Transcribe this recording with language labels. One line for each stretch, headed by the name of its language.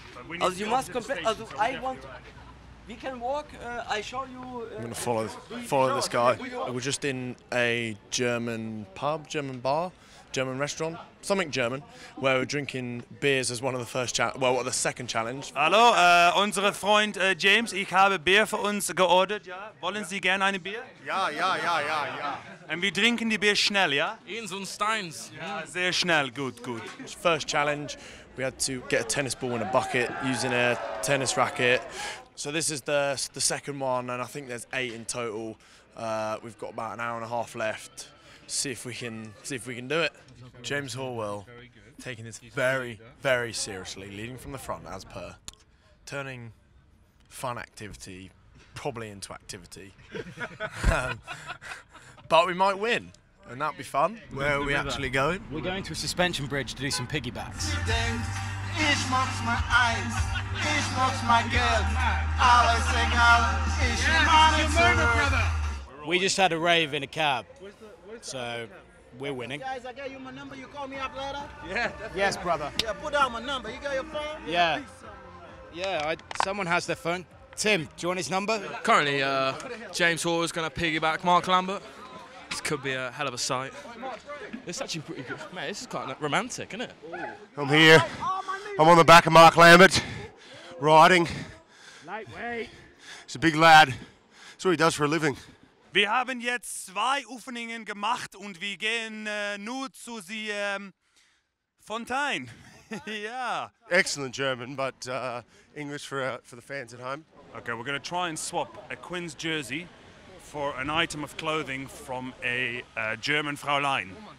English: Yeah, okay. You must complete, so I want, we can walk, I show you. I'm gonna follow this guy. We're just in a German pub, German bar, German restaurant, something German, where we're drinking beers as one of the first challenge. Well, what the second challenge?
German: Hallo, unsere Freund James, ich habe Bier für uns geordert. Ja, wollen Sie gerne eine Bier? Ja.
English: And we
German: drinken die Bier schnell, ja? In so ein Steins. Ja, sehr schnell. Good.
English: First challenge, we had to get a tennis ball in a bucket using a tennis racket. So this is the second one, and I think there's 8 in total. We've got about an hour and a half left. See if we can do it. James Horwell taking this very, very seriously, leading from the front as per, turning fun activity probably into activity. But we might win, and that'd be fun. Where are we actually going? We're going to a suspension bridge to do some piggybacks. Ich mag's my eyes, ich mag's my girl, alles egal, ich mag's my girl. We just had a rave in a cab. So we're winning. Guys, I gave you my number. You call me up later? Yeah. Definitely. Yes, brother. Yeah, put down my number. You got your phone? Yeah. Yeah, someone has their phone. Tim, do you want his number? Currently, James Hall is going to piggyback Mark Lambert. This could be a hell of a sight. It's actually pretty good. Mate, this is quite romantic, isn't it? I'm here. I'm on the back of Mark Lambert, riding. Lightweight. He's a big lad. That's what he does for a living.
German: Wir haben jetzt 2 Öffnungen gemacht und wir gehen nur zu die Fontaine.
English: Yeah. Excellent German, but English for the fans at home. Okay, we're going to try and swap a Quinn's jersey for an item of clothing from a German Fraulein.